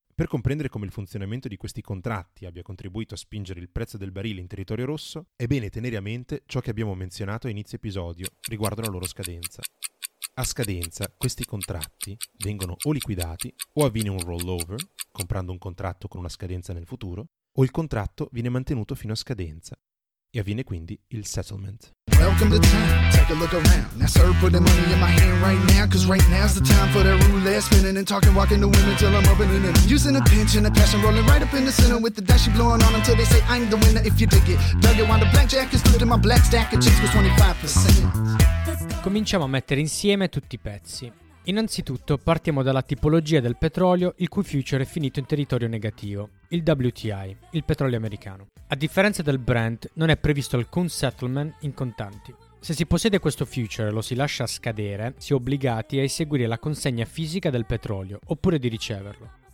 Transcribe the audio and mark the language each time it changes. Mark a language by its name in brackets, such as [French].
[Italian] Per comprendere come il funzionamento di questi contratti abbia contribuito a spingere il prezzo del barile in territorio rosso, è bene tenere a mente ciò che abbiamo menzionato a inizio episodio riguardo la loro scadenza. A scadenza, questi contratti vengono o liquidati, o avviene un rollover, comprando un contratto con una scadenza nel futuro, o il contratto viene mantenuto fino a scadenza. E avviene quindi il settlement. [English] Welcome to town, take a look around. Now sir, put the money in my hand right now. Cause right now's the time for that roulette. Spinning and talking, walking to women till I'm opening it. Using a pinch and a passion, rolling right up in the center with the dash she blowing on until they say I'm the winner. If you dig it, dug it, wind a blackjack and split in my black stack of chips for 25%. [Italian] Cominciamo a mettere insieme tutti i pezzi. Innanzitutto partiamo dalla tipologia del petrolio il cui future è finito in territorio negativo, il WTI, il petrolio americano. A differenza del Brent, non è previsto alcun settlement in contanti. Se si possiede questo future e lo si lascia scadere, si è obbligati a eseguire la consegna fisica del petrolio, oppure di riceverlo.